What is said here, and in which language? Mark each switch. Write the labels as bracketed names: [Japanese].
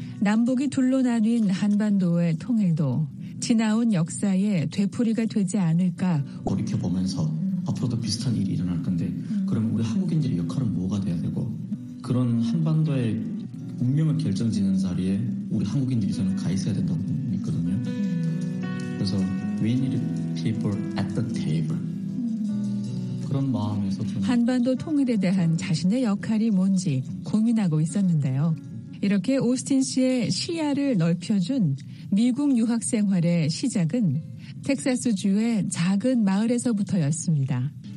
[Korean] 남북이 둘로 나뉜 한반도의 통일도 지나온 역사에 되풀이가 되지 않을까 돌이켜보면서 앞으로도 비슷한 일이 일어날 건데 그럼 우리 한국인들의 역할은 뭐가 돼야 되고 그런 한반도의 운명을 결정짓는 자리에 우리 한국인들이 저는 가 있어야 된다고 믿거든요. 그래서 [English] we need people at the table. [Korean] 그런 마음에서 좀 한반도 통일에 대한 자신의 역할이 뭔지 고민하고 있었는데요. 이렇게 오스틴 씨의 시야를 넓혀준 미국 유학 생활의 시작은 텍사스주의 작은 마을에서부터였습니다.